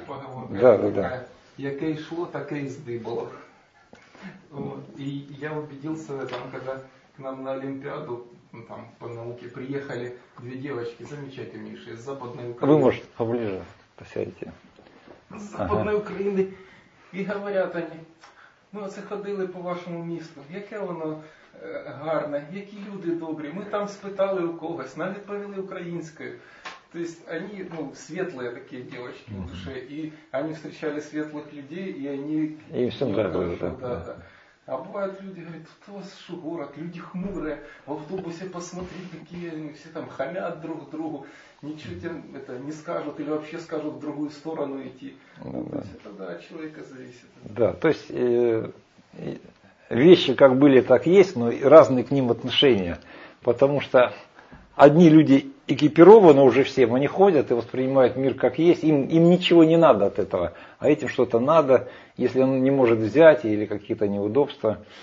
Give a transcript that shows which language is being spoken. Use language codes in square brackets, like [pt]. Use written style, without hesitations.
[ru] Поговорка, да, такая, да, да. Якое шло, такое и сдыбало. Вот. И я убедился в этом, когда к нам на Олимпиаду, ну, там, по науке, приехали две девочки замечательнейшие из Западной Украины. Вы, может, поближе посядете. С Западной, ага, Украины. И говорят они, [uk] ну, оце ходили по вашему місту, яке воно гарне, які люди добрі. Ми там спитали у когось, нам відповіли українською. Тобто, вони, ну, світлі такі дівчатки в душі, і вони зустрічали світлих людей, і вони... І всім нравилося, так. А бувають люди, говорять, тут у вас що город, люди хмурі, в автобусі посмотрите, які вони всі там хамять друг другу, нічого тим не скажуть, або взагалі скажуть в другу сторону йти. Тобто, ну, да, це, да, чоловіка залежить. Да, тобто... [ru] Вещи как были, так есть, но разные к ним отношения. Потому что одни люди экипированы уже всем, они ходят и воспринимают мир как есть. Им ничего не надо от этого. А этим что-то надо, если он не может взять или какие-то неудобства.